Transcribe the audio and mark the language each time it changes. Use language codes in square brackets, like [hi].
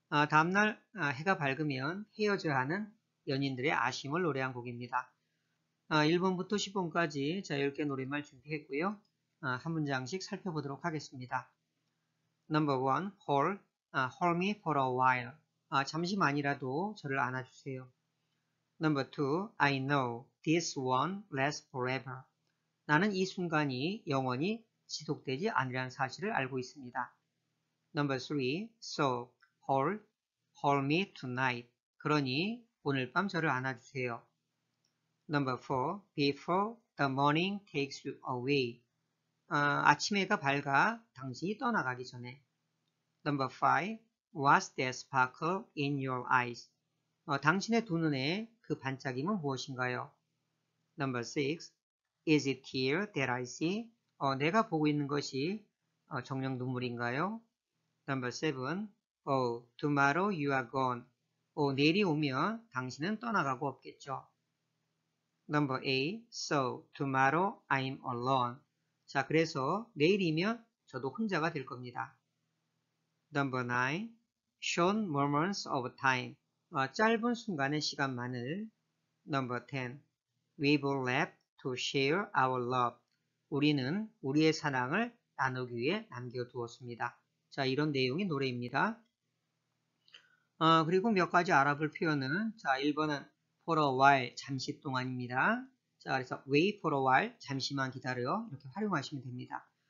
[ko] 다음날 해가 밝으면 헤어져야 하는 연인들의 아쉬움을 노래한 곡입니다. 1번부터 10번까지 자, 10개 노랫말 준비했고요. 한 문장씩 살펴보도록 하겠습니다. [en] Number 1. Hold Me For A While. [ko] 잠시만이라도 저를 안아주세요. [en] Number 2, I know this won't last forever. [ko] 나는 이 순간이 영원히 지속되지 않으리라는 사실을 알고 있습니다. [en] Number 3, so hold me tonight. [ko] 그러니 오늘 밤 저를 안아주세요. [en] Number 4, before the morning takes you away. [ko] 아침 해가 밝아 당신이 떠나가기 전에. [en] Number 5, what's that sparkle in your eyes? [ko] 당신의 두 눈에 그 반짝임은 무엇인가요? [en] Number 6. Is it here that I see? [ko] 내가 보고 있는 것이 정녕 눈물인가요? [en] Number 7. Oh, tomorrow you are gone. [ko] 내일이 오면 당신은 떠나가고 없겠죠. [en] Number 8. So, tomorrow I'm alone. [ko] 자, 그래서 내일이면 저도 혼자가 될 겁니다. [en] Number 9. Short moments of time. [ko] 짧은 순간의 시간만을. [en] Number 10. We've all left to share our love. [ko] 우리는 우리의 사랑을 나누기 위해 남겨두었습니다. 자, 이런 내용의 노래입니다. 그리고 몇 가지 알아볼 표현은, 자, 1번은 for a while, 잠시 동안입니다. 자, 그래서 [en] wait for a while, [ko] 잠시만 기다려. 이렇게 활용하시면 됩니다.